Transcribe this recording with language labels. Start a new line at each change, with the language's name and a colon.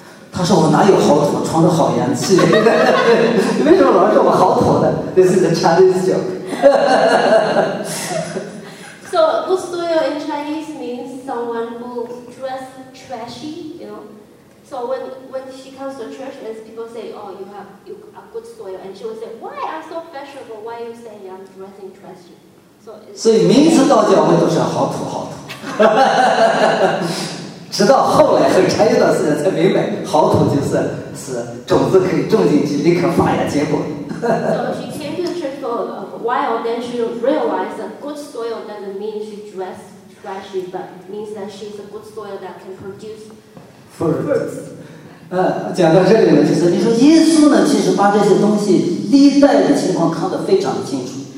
Chinese: 他说我哪有好土，穿着好洋气。为什么老是说我好土呢？这是一个
English: Chinese joke。 So good soil in Chinese means someone who dresses trashy, you know. So when she comes to church, and people say, oh, you are good soil, and she will say, why I'm so fashionable? Why you say I'm dressing trashy?
Chinese: 所以名词到教会都是好土好土，直到后来很长一段时间才明白，好土就是种子可以种进去，立刻发芽结果。
English: So she came to the church for a while, then she realized that good soil doesn't mean she dress trashy, but means that she's a good soil that can produce fruits.
Chinese: 讲到这里呢，就是你说耶稣呢，其实把这些东西历代的情况看得非常清楚。